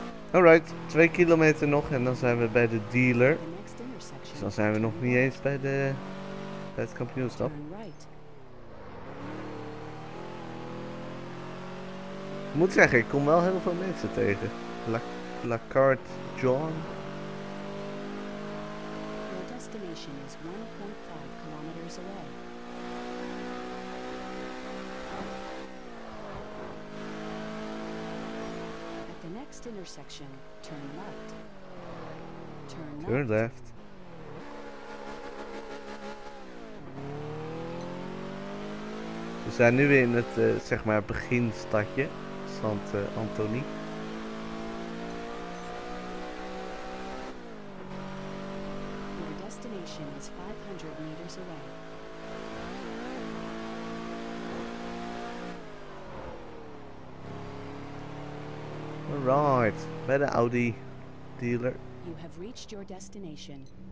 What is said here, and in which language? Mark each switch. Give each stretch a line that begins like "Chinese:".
Dutch: Alright, 2 kilometer nog en dan zijn we bij de dealer. Dus dan zijn we nog niet eens bij de bij het kampioenschap. Ik moet zeggen, ik kom wel heel veel mensen tegen. Lacard John.
English: Your destination is 1.5 kilometers away. At the next intersection, turn left. Turn left.
Dutch: We zijn nu in het zeg maar beginstadje. Want Anthony.
English: Your destination is 500 meters away.
Dutch: Alright, bij de Audi dealer.
English: You have reached your destination.